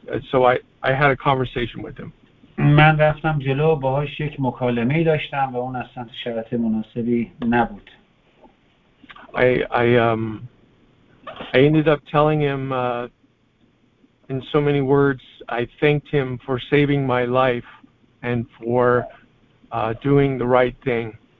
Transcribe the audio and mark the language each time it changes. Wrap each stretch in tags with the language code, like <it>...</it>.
<en>So I had a conversation with him.</en> <fa>من رفتم جلو باهاش یک مکالمه داشتم و اون اصلا شرط مناسبی نبود.</fa> <en>I ended up telling him in so many words I thanked him for saving my life and for doing the right thing.</en>